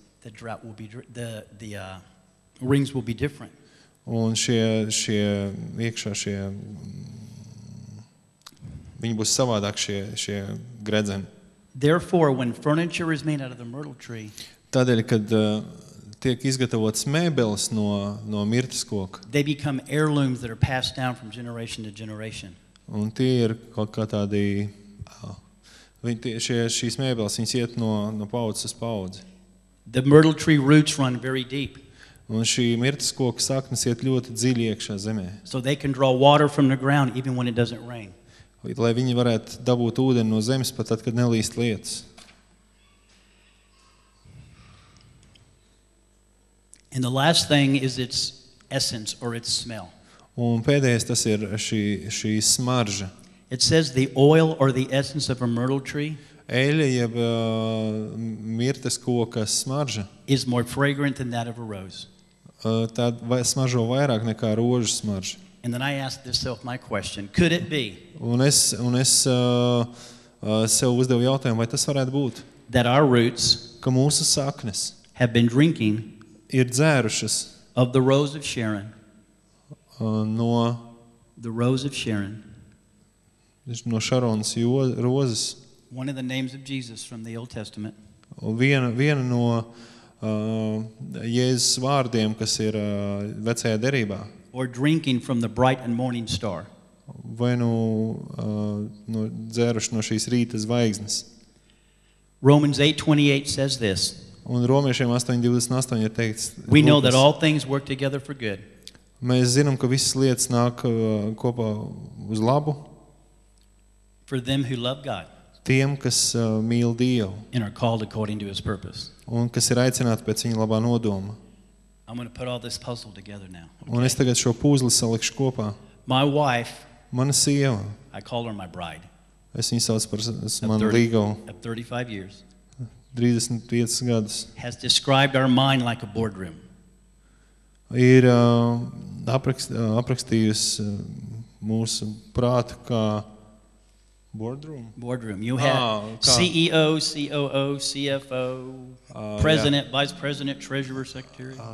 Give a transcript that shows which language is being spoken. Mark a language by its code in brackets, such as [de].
[en] The drought will be the rings will be different. [lv] Un šie iekšā šie viņi būs savādāk šie gredzeni. [en] Therefore, when furniture is made out of the myrtle tree, [lv] tādēļ, kad tiek izgatavotas mēbeles no mirtas koka, [en] they become heirlooms that are passed down from generation to generation. [lv] Un tie ir kaut kā tādi, šīs mēbeles, viņas iet no paudzes uz paudzi. [en] The myrtle tree roots run very deep. [lv] Un šī mirtas koka saknes iet ļoti dziļi iekšā zemē. [en] So they can draw water from the ground even when it doesn't rain. [lv] Lai viņi varētu dabūt ūdeni no zemes, pat tad, kad nelīst lietas. [en] And the last thing is its essence or its smell. [lv] Un pēdējais tas ir šī smarža. [en] It says the oil or the essence of a myrtle tree. [lv] Eļa jeb mirtas koka smarža. [en] Is more fragrant than that of a rose. [lv] Tā smaržo vairāk nekā rožu smarža. [en] And then I asked myself my question, could it be? [lv] Un es sev uzdevu jautājumu, vai tas varētu būt? [en] That our roots, [lv] ka mūsu saknes, [en] have been drinking, [lv] ir dzērušas, [en] of the rose of Sharon, [lv] no [en] the rose of Sharon, [lv] no Šarons rozes, [en] one of the names of Jesus from the Old Testament, [lv] viena no Jēzus vārdiem, kas ir vecajā derībā, [en] or drinking from the bright and morning star. [lv] Vai no dzēruši no šīs rīta zvaigznes. [en] Romans 8:28 says this. [lv] Un Romiešiem 8:28 ir teikts. [en] We know that all things work together for good. [lv] Mēs zinām, ka visas lietas nāk kopā uz labu. [en] For them who love God. [lv] Tiem, kas mīl Dievu. [en] And are called according to his purpose. [lv] Un kas ir aicināti pēc viņa labā nodoma. [en] I'm going to put all this puzzle together now. [lv] Okay. Un es tagad šo puzli salikšu kopā. [en] My wife, [lv] mana sieva, [en] I call her my bride. [lv] Es viņu sauc par manu līgo. [en] 35 years. [lv] 35 gadus. [en] Has described our mind like a boardroom. [lv] Ir aprakstījusi mūsu prātu kā boardroom. [en] Boardroom. You have CEO, COO, CFO, president, vice president, treasurer, secretary.